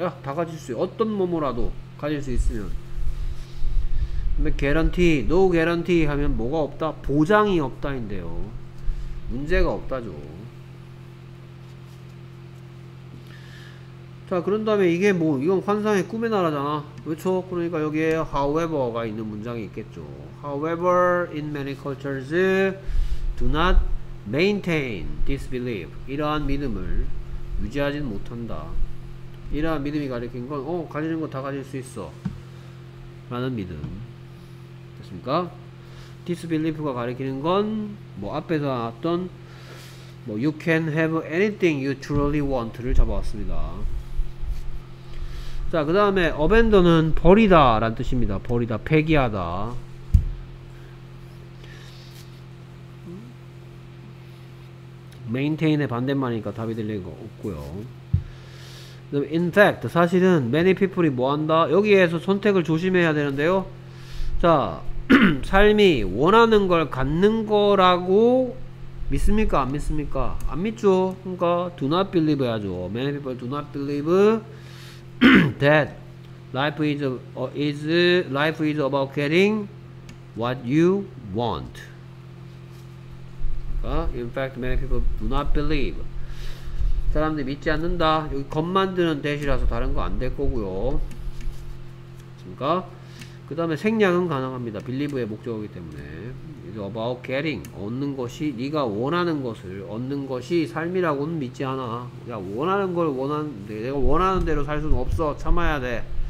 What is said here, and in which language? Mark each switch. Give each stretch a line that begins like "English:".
Korean: 야, 다 가질 수 어떤 뭐뭐라도 가질 수 있으면 guarantee, no guarantee 하면 뭐가 없다? 보장이 없다인데요. 문제가 없다죠. 자, 그런 다음에 이게 뭐, 이건 환상의 꿈의 나라잖아. 그렇죠? 그러니까 여기에 however가 있는 문장이 있겠죠.
English: However, in many cultures, do not maintain this belief.
Korean: 이러한 믿음을 유지하진 못한다. 이러한 믿음이 가리킨 건, 가지는 거 다 가질 수 있어. 라는 믿음. 그니까 disbelief가 가리키는 건 뭐 앞에서 나왔던 뭐
English: you can have anything you truly want
Korean: 를 잡아왔습니다. 자 그 다음에 abandon은 버리다 라는 뜻입니다. 버리다 폐기하다. 메인테인의 반대말이니까 답이 될 리가 없고요.
English: In fact
Korean: 사실은 many people이 뭐한다? 여기에서 선택을 조심해야 되는데요. 자 삶이 원하는 걸 갖는 거라고 믿습니까? 안 믿습니까? 안 믿죠. 그러니까
English: do not believe
Korean: 해야죠.
English: Many people do not believe that life is about getting what you want.
Korean: 그러니까
English: in fact, many people do not believe.
Korean: 사람들이 믿지 않는다. 여기 겉만드는 대시라서 다른 거 안 될 거고요. 그러니까. 그 다음에 생략은 가능합니다. believe의 목적이기 때문에 이제 about getting 얻는 것이 네가 원하는 것을 얻는 것이 삶이라고는 믿지 않아. 야 원하는 걸 원하는데 내가 원하는 대로 살 수는 없어. 참아야 돼.